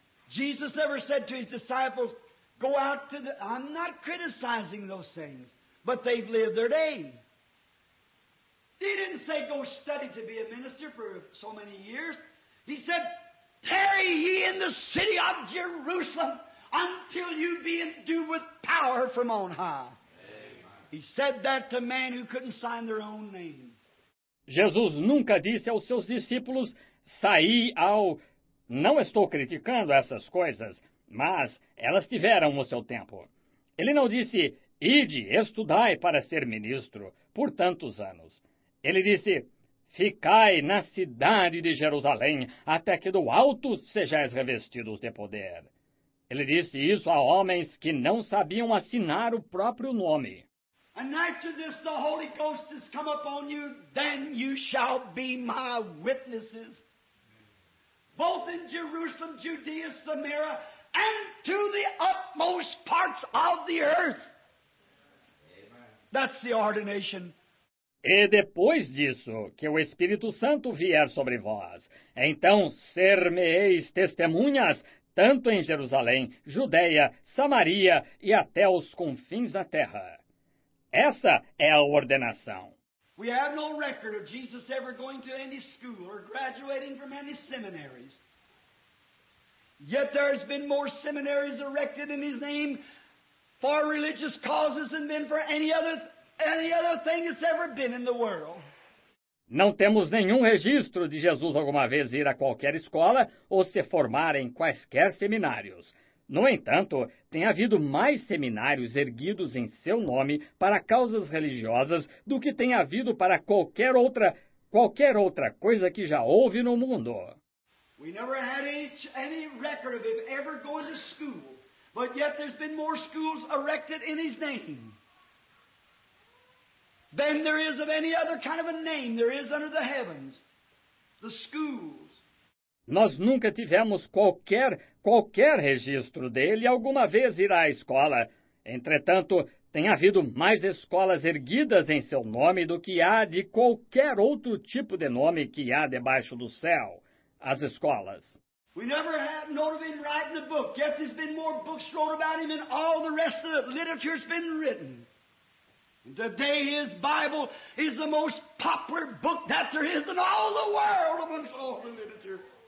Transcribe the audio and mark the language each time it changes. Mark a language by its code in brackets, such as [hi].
[en] Jesus never said to his disciples, go out to the... I'm not criticizing those things, but they've lived their day. He didn't say, go study to be a minister for so many years. He said, tarry ye in the city of Jerusalem until you be endued with power from on high. Amen. He said that to men who couldn't sign their own name. [pt] Jesus nunca disse aos seus discípulos, saí ao... Não estou criticando essas coisas, mas elas tiveram o seu tempo. Ele não disse, ide, estudai para ser ministro por tantos anos. Ele disse, ficai na cidade de Jerusalém até que do alto sejais revestidos de poder. Ele disse isso a homens que não sabiam assinar o próprio nome. [en] And after this the Holy Ghost has come upon you, then you shall be my witnesses. Both in Jerusalem, Judea, Samaria, and to the utmost parts of the earth. Amen. That's the ordination. [pt] E depois disso, que o Espírito Santo vier sobre vós, então ser-me-eis testemunhas, tanto em Jerusalém, Judeia, Samaria e até os confins da terra. Essa é a ordenação. [en] We have no record of Jesus ever going to any school or graduating from any seminaries. Yet there has been more seminaries erected in his name for religious causes than been for any other thing that's ever been in the world. [pt] Não temos nenhum registro de Jesus alguma vez ir a qualquer escola ou se formar em quaisquer seminários. No entanto, tem havido mais seminários erguidos em seu nome para causas religiosas do que tem havido para qualquer outra coisa que já houve no mundo. [en] We never had any record of him ever going to school, but yet there's been more schools erected in his name than there is of any other kind of a name there is under the heavens, the schools. [pt] Nós nunca tivemos qualquer registro dele alguma vez ir à escola. Entretanto, tem havido mais escolas erguidas em seu nome do que há de qualquer outro tipo de nome que há debaixo do céu, as escolas. [en] We never had note of him writing a book, yet there's been more books wrote about him than all the rest of the literature's been written. Today his Bible is the most popular book that there is in all the world amongst all the literature.